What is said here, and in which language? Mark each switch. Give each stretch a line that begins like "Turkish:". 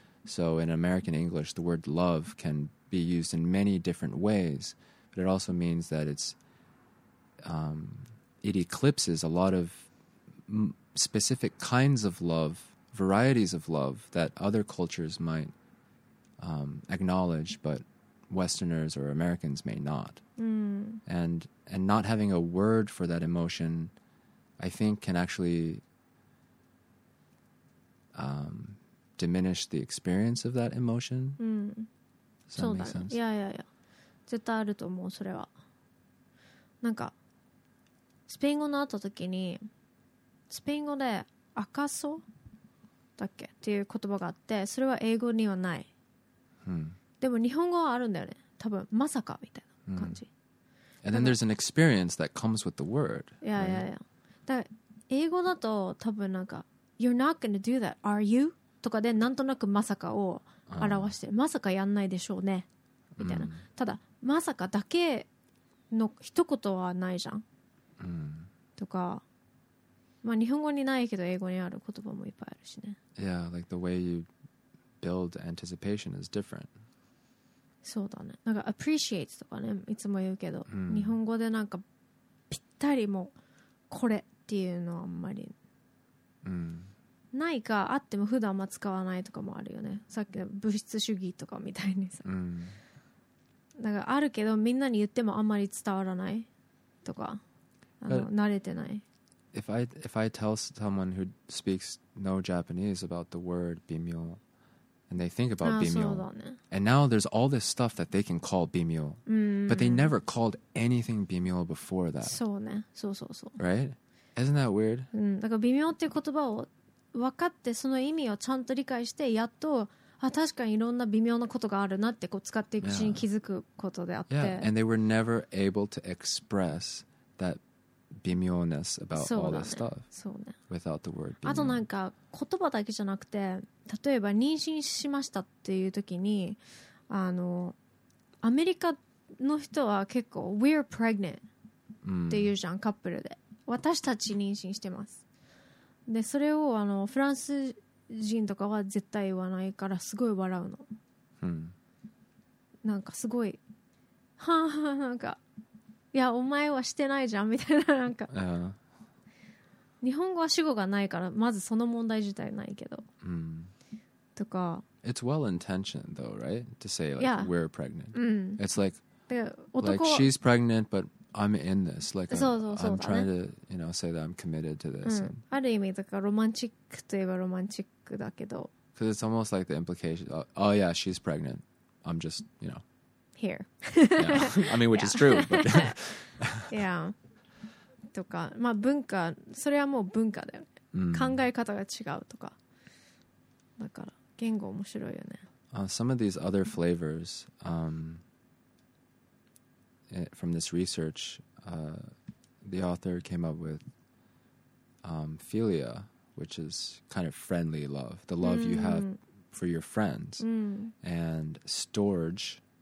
English: So in American English, the word love can be used in many different ways, but it also means that it eclipses a lot of specific kinds of love, varieties of love that other cultures might acknowledge, but Westerners or Americans may not. And not having a word for that emotion, I think, can actually diminish the experience of that emotion. Does that make sense? Yeah.
Japanese: 絶対あると思う、それは。なんか、スペイン語のあった時に、スペイン語で赤そだっけっていう言葉があって、それは英語にはない。でも日本語はあるんだよね、多分まさかみたいな感じ。
English: And then there's an experience that comes with the word.
Japanese: だから英語だと多分なんか
English: You're not gonna do that, are you?
Japanese: とかでなんとなくまさかを表してる、まさかやんないでしょうねみたいな、ただまさかだけの一言はないじゃん、とか、まあ日本語にないけど英語にある言葉もいっぱいあるしね。
English: Yeah, like the way youbuild anticipation is different.
Japanese: そうだね。なんか appreciate とかね、いつも言うけど、日本語でなんかぴったりもこれっていうのはあんまり、ないか、あっても普段あんま使わないとかもあるよね。さっきの物質主義とかみたいにさ、なんかあるけどみんなに言ってもあんまり伝わらないとか、慣れてない。
English: If I tell someone who speaks no Japanese about the word bimyo,And they think about bimyo. And now there's all this stuff that they can call bimyo. But they never called anything bimyo before that.
Japanese: そうね。そうそうそう。
English: Right? Isn't that weird?
Japanese: だから微妙っていう言葉を分かって、その意味をちゃんと理解して、やっと、あ、確かにいろんな微妙なことがあるなってこう使っていくうちに気づくことであって、
English: yeah. And they were never able to express that微妙ness about all the stuff without the word.
Japanese: あとなんか言葉だけじゃなくて、例えば妊娠しましたっていう時に、あのアメリカの人は結構
English: we're pregnant
Japanese: っていうじゃん、カップルで私たち妊娠してます。でそれをあのフランス人とかは絶対言わないからすごい笑うの、なんかすごいはぁはぁ、なんかいやお前はしてないじゃんみたいな、なんか、日本語は主語がないからまずその問題自体ないけど、とか
English: It's well intentioned though, right? To say like、yeah. we're pregnant、It's like
Japanese: で
English: 男 like she's pregnant but I'm in this like I'm trying to you know say that I'm committed to this、
Japanese: ある意味だからロマンチックといえばロマンチックだけど
English: Because it's almost like the implication oh yeah she's pregnant I'm just you know Here. yeah. I mean, which is true. But yeah.
Japanese: とか、まあ文化、それはもう文化だよね。考え方が違うとか。だから言語面白いよね。
English: Some of these other flavors from this research, the author came up with philia, which is kind of friendly love, the love you have for your friends, and storge.